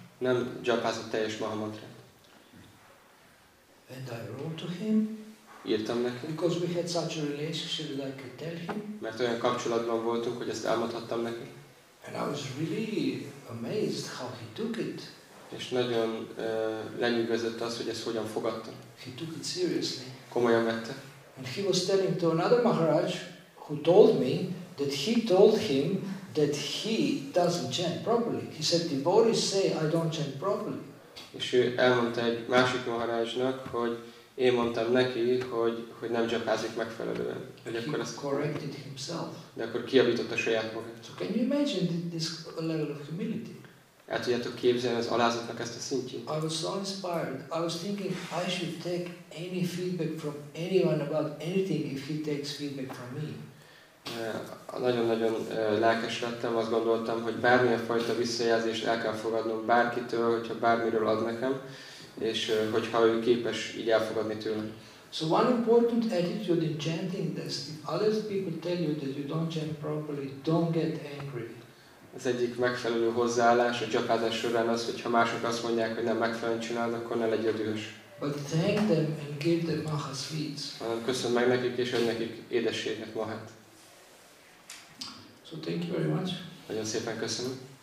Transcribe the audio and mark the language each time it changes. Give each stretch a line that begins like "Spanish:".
Hungarian: Nem japázott teljes Mahamantrát.
English: And I wrote to him.
Hungarian: Írtam neki.
English: Because we had such a relationship that I could tell him.
Hungarian: Mert olyan kapcsolatban voltunk, hogy ezt elmondhattam neki.
English: And I was really amazed how he took it.
Hungarian: És nagyon lenyűgözött az, hogy ezt hogyan fogadta.
English: He took it seriously.
Hungarian: Komolyan vette.
English: And he was telling to another Maharaj, who told me that he told him that he doesn't chant properly. He said, devotees say I don't chant properly.
Hungarian: És ő elmondta egy másik Maharajnak, hogy én mondtam neki, hogy nem japázik megfelelően.
English: He
Hungarian: akkor ezt,
English: corrected himself.
Hungarian: De akkor kiavította saját magát.
English: So can you imagine this level of humility?
Hungarian: El tudjátok képzelni az alázatnak ezt a szintjét?
English: I was so inspired. I was thinking I should take any feedback from anyone about anything if he takes feedback from me.
Hungarian: Nagyon-nagyon lelkes lettem, azt gondoltam, hogy bármilyen fajta visszajelzést el kell fogadnom bárkitől, hogyha bármiről ad nekem. És hogyha ő képes így elfogadni tőlem.
English: So one important attitude in chanting is if other people tell you that you don't chant properly, don't get angry.
Hungarian: az egyik megfelelő hozzáállás a gyakázás során az, hogy ha mások azt mondják, hogy nem megfelelően csinálod, akkor ne legyél dühös.
English: But thank them and give them maha sweets.
Hungarian: Köszönöm meg nekik és adj nekik édességet, mahát.
English: So thank you very much.
Hungarian: Nagyon szépen köszönöm.